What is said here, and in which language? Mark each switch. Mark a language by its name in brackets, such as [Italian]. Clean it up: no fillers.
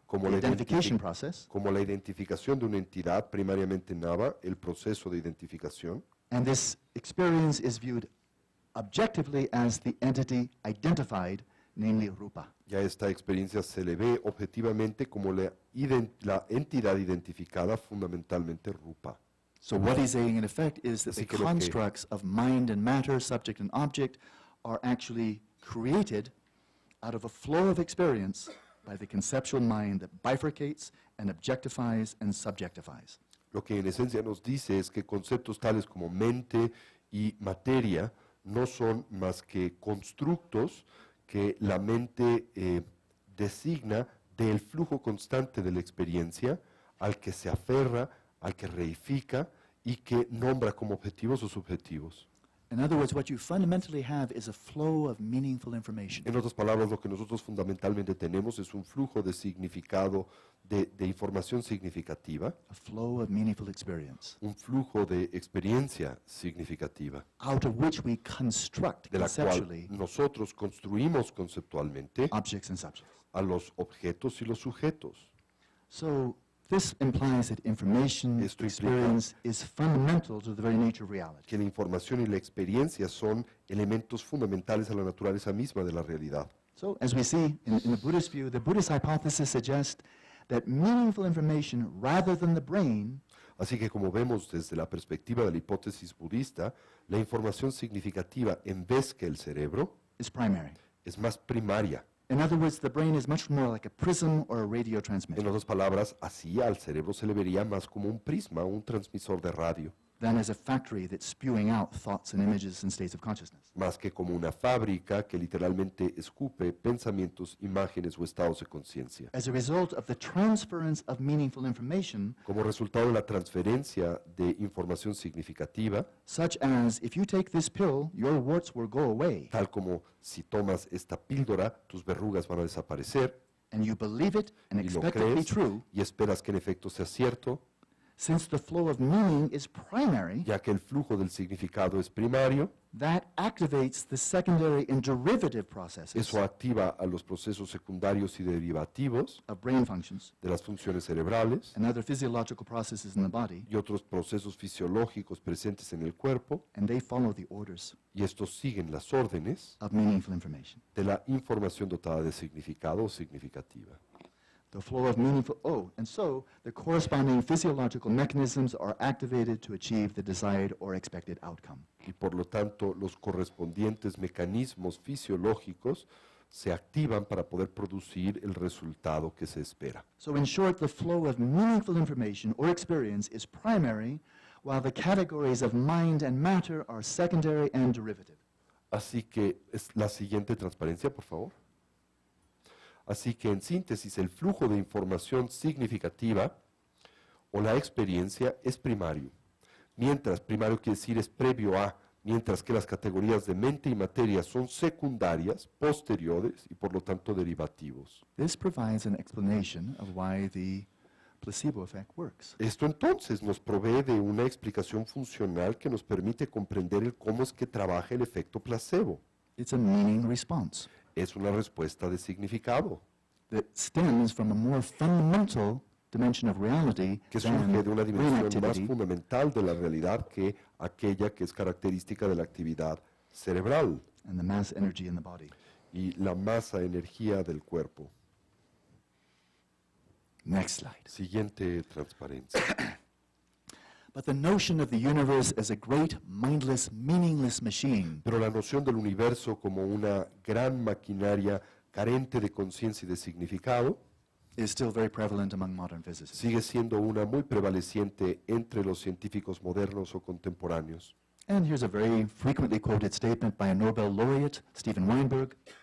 [Spanish] como [English] the identification process. [Spanish] Como la identificación de una entidad, primariamente nama, el proceso de identificación. [English] And this experience is viewed objectively as the entity identified, namely rupa. [Spanish] Ya esta experiencia se le ve objetivamente como la entidad identificada fundamentalmente rupa. [English] So what he's saying in effect is that [Spanish] así [English] the constructs of mind and matter, subject and object, are actually created out of a flow of experience by the conceptual mind that bifurcates and objectifies and subjectifies. [Spanish] Lo que en esencia nos dice es que conceptos tales como mente y materia no son más que constructos que la mente designa del flujo constante de la experiencia al que se aferra, al que reifica y que nombra como objetivos o subjetivos. [English] In other words, what you fundamentally have is a flow of meaningful information. [Spanish] En otras palabras, lo que nosotros fundamentalmente tenemos es un flujo de significado, de información significativa. [English] A flow of meaningful experience. [Spanish] Un flujo de experiencia significativa. [English] Out of which we construct conceptually. [Spanish] De la cual nosotros construimos conceptualmente. [English] Objects and subjects. [Spanish] A los objetos y los sujetos. [English] So this implies that information experience is fundamental to the very nature of reality. [Spanish] Que la información y la experiencia son elementos fundamentales a la naturaleza misma de la realidad. [English] So as we see in the Buddhist view, the Buddhist hypothesis suggests that meaningful information rather than the brain. [Spanish] Así que como vemos desde la perspectiva de la hipótesis budista, la información significativa en vez que el cerebro [English] is primary. [Spanish] Es más primaria. [English] In other words, the brain is much more like a prism or a radio transmitter. [Spanish] En otras palabras, así al cerebro se le vería más como un prisma, un transmisor de radio. [English] Than as a factory that's spewing out thoughts and images and states of consciousness. [Spanish] Más que como una fábrica que literalmente escupe pensamientos, imágenes o estados de conciencia. [English] As a result of the transference of meaningful information. [Spanish] Como resultado de la transferencia de información significativa. [English] Such as, if you take this pill, your warts will go away. [Spanish] Tal como si tomas esta píldora, tus verrugas van a desaparecer. [English] And you believe it and expect it to be true. [Spanish] Y esperas que en efecto sea cierto. [English] Since the flow of meaning is primary, [Spanish] ya que el flujo del significado es primario, [English] that activates the secondary and derivative processes. [Spanish] Eso activa a los procesos secundarios y derivativos [English] of brain functions, [Spanish] de las funciones cerebrales, [English] and other physiological processes in the body, [Spanish] y otros procesos fisiológicos presentes en el cuerpo, [English] and they follow the orders, [Spanish] y estos siguen las órdenes [English] of meaningful information, [Spanish] de la información dotada de significado o significativa. [English] The flow of meaningful, oh, and so the corresponding physiological mechanisms are activated to achieve the desired or expected outcome. [Spanish] Y por lo tanto, los correspondientes mecanismos fisiológicos se activan para poder producir el resultado que se espera. [English] So in short, the flow of meaningful information or experience is primary, while the categories of mind and matter are secondary and derivative. [Spanish] Así que, es la siguiente transparencia, por favor. Así que, en síntesis, el flujo de información significativa o la experiencia es primario. Mientras, primario quiere decir es previo a, mientras que las categorías de mente y materia son secundarias, posteriores y, por lo tanto, derivativos. [English] This provides an explanation of why the placebo effect works. [Spanish] Esto, entonces, nos provee de una explicación funcional que nos permite comprender el cómo es que trabaja el efecto placebo. [English] It's a meaning response. [Spanish] Es una respuesta de significado. [English] That stems from a more fundamental dimension of reality [Spanish] que surge de una dimensión más fundamental de la realidad que aquella que es característica de la actividad cerebral. [English] And the mass energy in the body. [Spanish] Y la masa energía del cuerpo. [English] Next slide. [Spanish] Siguiente transparencia. [English] But the notion of the universe as a great, mindless, meaningless machine. [Spanish] Pero la noción del universo como una gran maquinaria carente de conciencia y de significado [English] is still very prevalent among modern physicists. [Spanish] Sigue siendo una muy prevaleciente entre los científicos modernos o contemporáneos. [English] And here's a very frequently quoted statement by a Nobel laureate, Steven Weinberg.